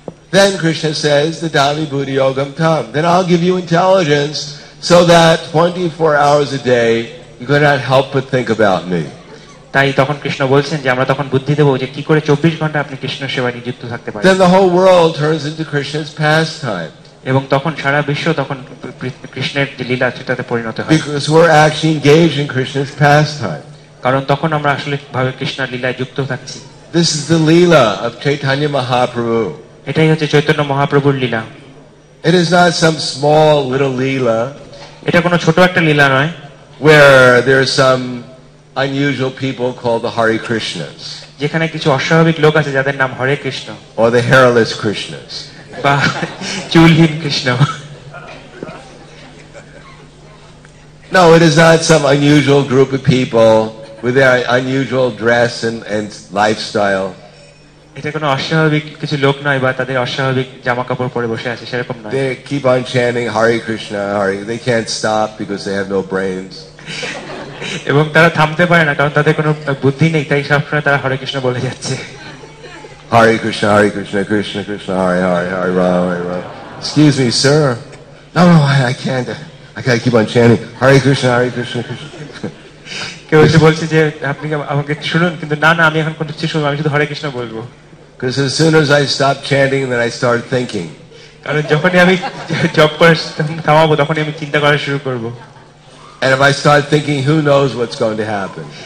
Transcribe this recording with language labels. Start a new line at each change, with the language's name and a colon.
English: Then Krishna says, the
Sanskrit: Dali Buddhi Yogam Tam.
English: Then I'll give you intelligence so that 24 hours a day, you cannot help but think about me.
Bangla: তাই তখন কৃষ্ণ বলছেন যে আমরা তখন বুদ্ধি দেব যে কি করে 24 ঘন্টা আপনি কৃষ্ণ সেবায় নিযুক্ত থাকতে পারেন
English: then the whole world turns into krishna's pastime
Bangla: এবং তখন সারা বিশ্ব তখন কৃষ্ণের লীলা চিত্রতে পরিণত হয়
English: because we're actually engaged in krishna's pastime
Bangla: কারণ তখন আমরা আসলে ভাবে কৃষ্ণের লীলায় যুক্ত থাকছি
English: this is the leela of chaitanya mahaprabhu
Bangla: এটাই হচ্ছে চৈতন্য মহাপ্রভুর লীলা
English: it is not some small little leela
Bangla: এটা কোনো ছোট একটা লীলা নয়
English: where there is some unusual people called the Hare Krishnas
Bangla: যেখানে কিছু অস্বাভাবিক লোক আছে যাদের নাম হরে Krishna
English: or the hairless krishnas
Bangla: বা চুলহীন Krishna
English: no it is not some unusual group of people with their unusual dress and lifestyle
Bangla: এটা কোনো অস্বাভাবিক কিছু লোক নয় বা তাদের অস্বাভাবিক জামা কাপড় পরে বসে আছে সেরকম নয়
English: they keep on chanting Hare Krishna Hare they can't stop because they have no brains
Bangla: এবং তারা থামতে পারে না কারণ তাদের কোনো বুদ্ধি নেই তাই সবসময় তারা হরে কৃষ্ণ বলে যাচ্ছে
Sanskrit: হরে কৃষ্ণ কৃষ্ণ কৃষ্ণ হরে হরে হরে রাম হরে Ram
English: excuse me sir no no I can't I can't keep on chanting
Sanskrit: হরে কৃষ্ণ কৃষ্ণ
Bangla: কেউ এসে বলছে যে আপনি আমাকে শুনুন কিন্তু না না আমি এখন কোনো কিছু শুনবো আমি শুধু হরে কৃষ্ণ বলবো
English: because as soon as I stop chanting then I start thinking
Bangla: কারণ যখনই আমি জপ করে থামাবো তখনই আমি চিন্তা করা শুরু করব
English: And if I start thinking, who knows what's going to happen?